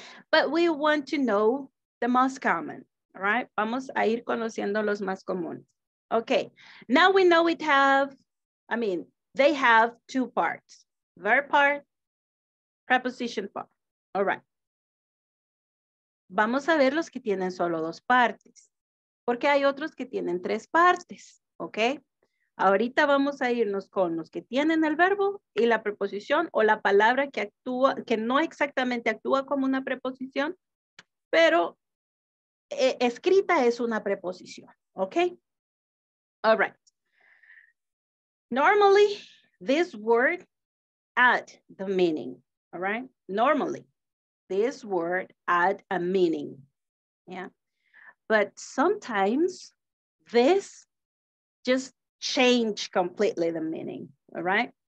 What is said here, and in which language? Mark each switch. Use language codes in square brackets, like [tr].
[en] But we want to know the most common, all right? [es] Vamos a ir conociendo los más comunes. [en] Okay, now we know it have, I mean, they have two parts, verb part, preposition part, all right. [es] Vamos a ver los que tienen solo dos partes, porque hay otros que tienen tres partes, ¿ok? Ahorita vamos a irnos con los que tienen el verbo y la preposición o la palabra que actúa, que no exactamente actúa como una preposición, pero escrita es una preposición, ¿ok? [en] All right. Normally, this word adds the meaning, all right? Normally. This word add a meaning, yeah? But sometimes this just change completely the meaning, all right?